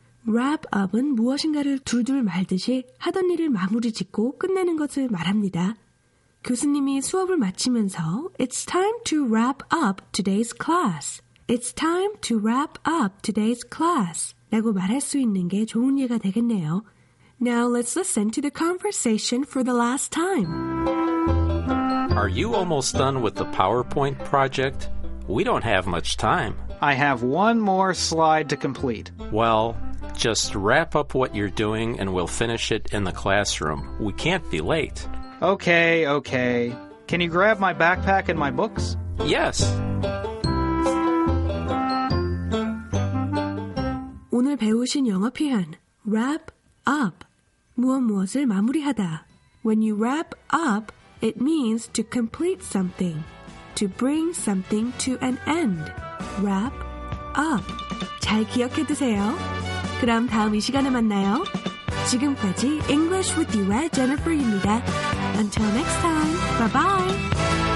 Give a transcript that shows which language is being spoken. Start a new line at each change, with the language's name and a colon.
Korean: wrap up은 무엇인가를 둘둘 말듯이 하던 일을 마무리 짓고 끝내는 것을 말합니다. 교수님이 수업을 마치면서
English: It's time to wrap up today's class. It's time to wrap up today's class.
Korean: 라고 말할 수 있는 게 좋은 예가 되겠네요.
English: Now let's listen to the conversation for the last time. Are you almost done with the PowerPoint project? We don't have much time. I have one more slide to complete. Well, just wrap up what you're doing and we'll finish it in the classroom. We can't be late. Okay, okay. Can you grab my backpack and my books? Yes.
Korean: 오늘 배우신 영어 표현, wrap up. 무엇무엇을 마무리하다.
English: When you wrap up, it means to complete something, to bring something to an end.
Korean: Wrap up. 잘 기억해 두세요. 그럼 다음 이 시간에 만나요. 지금까지 English with you의 Jennifer입니다.
English: Until next time, bye-bye.